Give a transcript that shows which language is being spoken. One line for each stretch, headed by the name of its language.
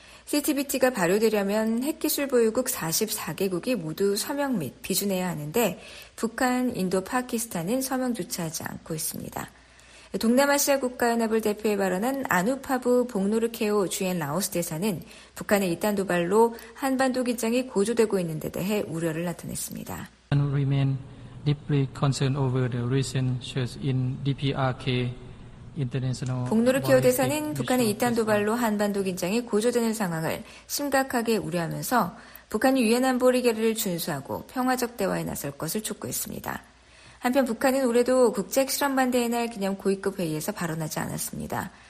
Korean: CTBT가 발효되려면 핵기술 보유국 44개국이 모두 서명 및 비준해야 하는데 북한, 인도, 파키스탄은 서명조차 하지 않고 있습니다. 동남아시아 국가연합을 대표해 발언한 아누파브 복노르케오 주엔 라오스 대사는 북한의 이딴 도발로 한반도 긴장이 고조되고 있는 데 대해 우려를 나타냈습니다.
English: And remain deeply concerned over the recent shifts in DPRK.
Korean: 복노르케오 대사는 북한의 이딴 도발로 한반도 긴장이 고조되는 상황을 심각하게 우려하면서 북한이 유엔 안보리 결의를 준수하고 평화적 대화에 나설 것을 촉구했습니다. 한편 북한은 올해도 국제 핵실험 반대의 날 기념 고위급 회의에서 발언하지 않았습니다.